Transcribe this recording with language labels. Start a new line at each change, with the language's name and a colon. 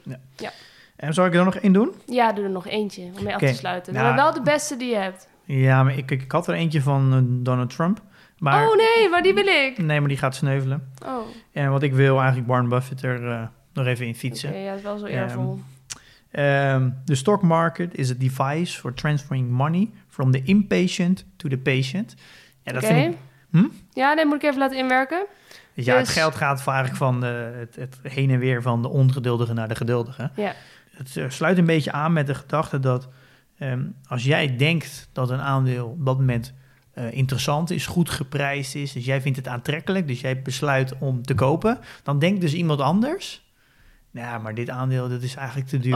Dutch: Ja. Ja. En zal ik er nog één doen? Ja, doe er nog eentje om mee af te sluiten. Nou, maar wel de beste die je hebt. Ja, maar ik had er eentje van Donald Trump. Maar, oh nee, maar die wil ik. Nee, maar die gaat sneuvelen. Oh. En wat ik wil eigenlijk Warren Buffett er nog even in fietsen. Okay, ja, dat is wel zo eervol.
English: The stock market is a device for transferring money from the impatient to the patient.
Dutch: Ja, dat vind ik. Ja, dat moet ik even laten inwerken. Ja, dus het geld gaat eigenlijk van het heen en weer van de ongeduldige naar de geduldige. Ja. Het sluit een beetje aan met de gedachte dat als jij denkt dat een aandeel op dat moment interessant is, goed geprijsd is, dus jij vindt het aantrekkelijk, dus jij besluit om te kopen, dan denkt dus iemand anders, nou ja, maar dit aandeel, dat is eigenlijk te duur.